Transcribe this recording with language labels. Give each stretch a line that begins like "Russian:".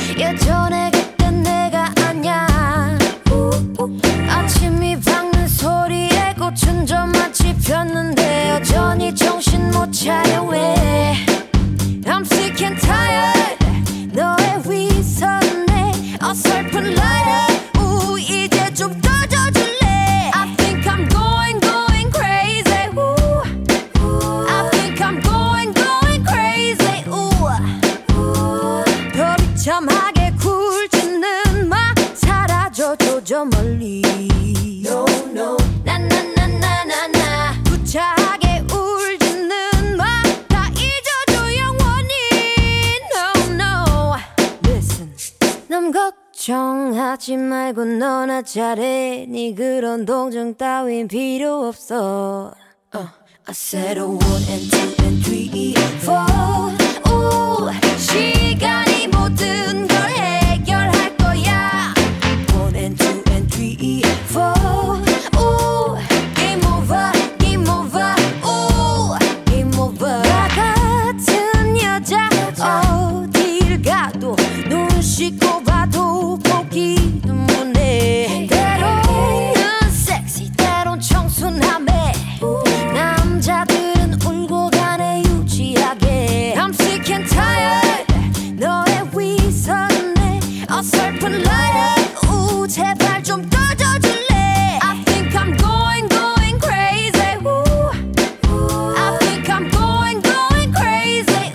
Korean: 예전에 그땐 내가 아니야. 아침이 밝는 소리에 고춘 점 마치 폈는데 여전히 정신 못 차려. 왜
English: I'm sick and tired
Korean: 너의 위선에 어설픈 라이어. 이제 좀 꺼져줄래.
English: I think I'm going going crazy. Ooh. I think I'm going going crazy.
Korean: Ooh. Ooh. 더 비참하게 굴지는 마. 사라져 줘 저 멀리.
English: No no
Korean: 나나나나나나 구차하게 울지는 마. 다 잊어줘 영원히.
English: No no listen
Korean: 넌 걱정 걱정하지 말고 너나 잘해. 네 그런 동정 따윈 필요 없어.
English: I said a one and two and three and four.
Korean: Ooh, 시간이 모든 걸 해결할 거야.
English: One and two and three and four. Ooh, game over, game over. Ooh, game over.
Korean: 나 같은 여자, 어딜 가도 눈 씻고 봐도 기도문에 때로는 섹시 때론 청순함에 남자들은 울고 가네 유치하게.
English: I'm sick and tired
Korean: 너의 위선에 어설픈 라이어. 제발 좀 꺼져줄래.
English: I think I'm going going crazy. Ooh. I think I'm going going crazy.